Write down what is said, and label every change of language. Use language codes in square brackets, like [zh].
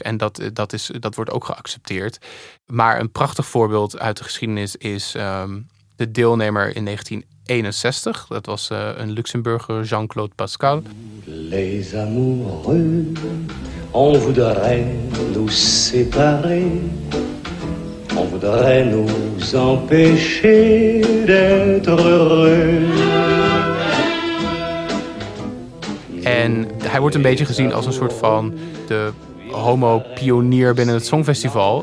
[nl] En dat wordt ook geaccepteerd. Maar een prachtig voorbeeld uit de geschiedenis is de deelnemer in 1961. Dat was een Luxemburger, Jean-Claude Pascal. [fr] Les amoureux, on voudrait nous séparer. On voudrait nous empêcher d'être heureux. [nl] En hij wordt een beetje gezien als een soort van de homo-pionier binnen het Songfestival.